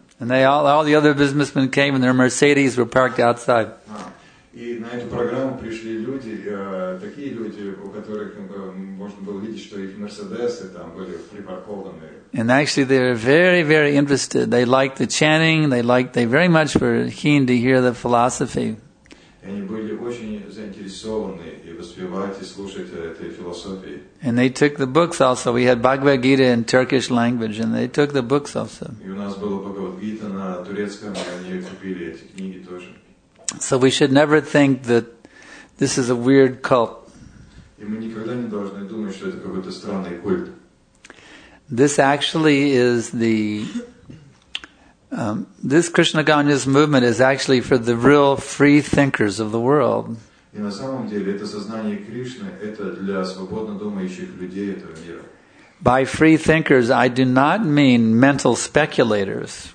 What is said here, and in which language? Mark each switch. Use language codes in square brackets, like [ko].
[en] And all the other businessmen came and their Mercedes were parked outside. [ru] И на эту программу пришли люди, такие люди, у которых можно было видеть, что их Мерседесы там были припаркованы. [en] And actually they were very, very interested. They liked the chanting, they very much were keen to hear the philosophy. [ru] Они были очень заинтересованы и воспевать, и слушать этой философии. [en] And they took the books also. We had Bhagavad Gita in Turkish language and they took the books also. [ru] И у нас было Bhagavad Gita на турецком, и они купили эти книги тоже. [en] So we should never think that this is a weird cult. [ru] И мы никогда не должны думать, что это какой-то странный культ. [en] This actually is the this Krishna Ganya's movement is actually for the real free thinkers of the world. [ru] И на самом деле это сознание Кришны это для свободно думающих людей этого мира. [en] By free thinkers, I do not mean mental speculators.